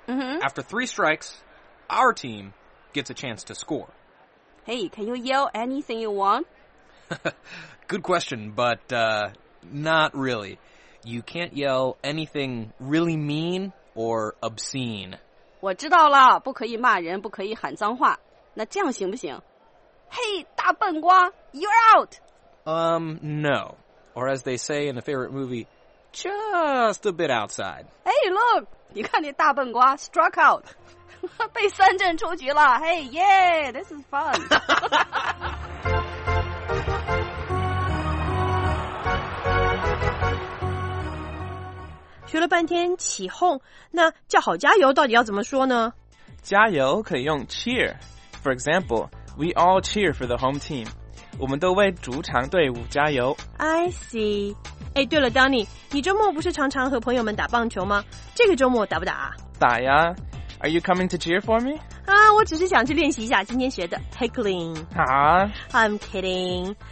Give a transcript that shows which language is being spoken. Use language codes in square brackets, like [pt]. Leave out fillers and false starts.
[en] After three strikes, our team gets a chance to score. Hey, can you yell anything you want? Good question, but not really. You can't yell anything really mean or obscene. [zh] 我知道了，不可以骂人，不可以喊脏话。那这样行不行？Hey, 大笨瓜 [en] you're out! No. Or as they say in the favorite movie... Just a bit outside. Hey, look! [zh] 你看那大笨瓜 [en] struck out. [zh] 被三振出局了。 [en] Hey, yay! This is fun. [zh] 学了半天起哄，那叫好加油到底要怎么说呢？加油可以用 cheer. [en] For example, we all cheer for the home team. [zh] 我们都为主场队伍加油。 [en] I see. [zh] 哎，对了 ，Donny， 你周末不是常常和朋友们打棒球吗？这个周末打不打？打呀 [en] ！Are you coming to cheer for me？ [zh] 啊，我只是想去练习一下今天学的 heckling。啊 [en] ？I'm kidding。